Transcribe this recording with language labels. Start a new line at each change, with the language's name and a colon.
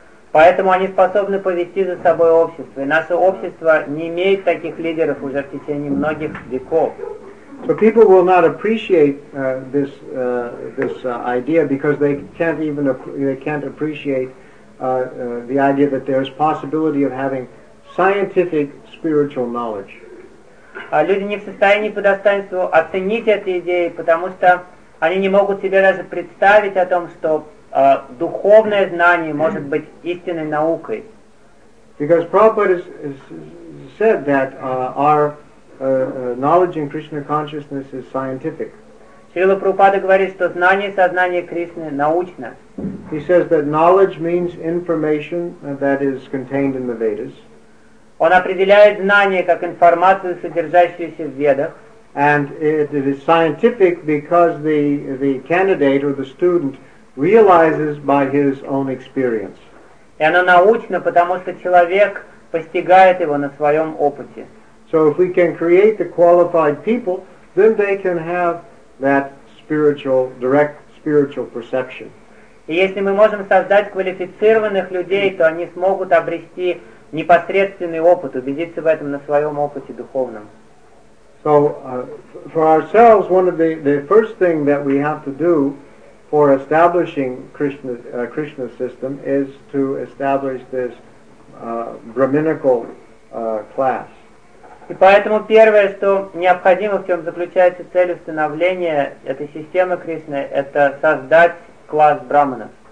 Russian: Поэтому они способны повести за собой общество. И наше общество не имеет таких лидеров уже в течение многих веков.
English: So people will not appreciate this idea because they can't appreciate the idea that there is possibility of having scientific spiritual knowledge.
Russian: Люди не в состоянии по достоинству оценить эту идею, потому что они не могут себе даже представить о том, что духовное знание может быть истинной наукой.
English: Because Prabhupada said that our knowledge in Krishna consciousness is scientific.
Russian: Srila Prabhupada говорит, что знание сознания Кришны научно.
English: He says that knowledge means information that is contained in the Vedas.
Russian: Он определяет знание как информацию, содержащуюся в Ведах.
English: And it is scientific because the candidate or the student realizes by his own experience.
Russian: И оно научно, потому что человек постигает его на своем опыте.
English: So if we can create the qualified people, then they can have that spiritual, direct spiritual perception.
Russian: И если мы можем создать квалифицированных людей, то они смогут обрести непосредственный опыт, убедиться в этом на своем опыте духовном.
English: So for ourselves, one of the first thing that we have to do for establishing Krishna system is to establish this brahminical class.
Russian: И поэтому первое, что необходимо, в чем заключается цель установления этой системы Кришны, это создать класс брахманов.